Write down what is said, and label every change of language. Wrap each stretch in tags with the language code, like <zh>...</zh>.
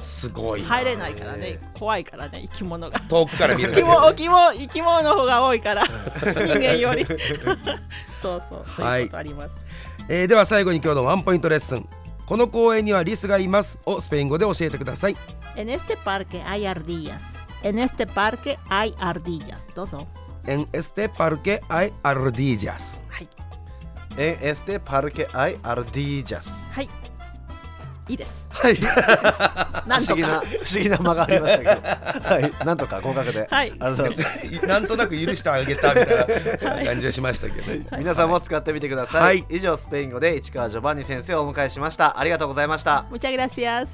<ja>すごい、入れないからね、怖いからね、生き物が遠くから見るだけ生き物の方が多いから人間よりそうそう、はい、そういうことあります。では最後に今日のワンポイントレッスン、この公園にはリスがいますをスペイン語で教えてください。</ja> <es>En este parque hay ardillas. En este parque hay ardillas.</es> <ja>どうぞ。</ja> <es>En este parque hay ardillas.</es> <ja>はい。</ja> <es>En este parque hay ardillas.</es> <ja>はい。いいです。はい。なんとか不思議な間がありましたけど。はい。なんとか合格で。はい。ありがとうございます。なんとなく許してあげたみたいな感じがしましたけど、はい。皆さんも使ってみてください。はい。以上、スペイン語で市川ジョバンニ先生をお迎えしました。ありがとうございました。</ja> <es>Muchas gracias。</es>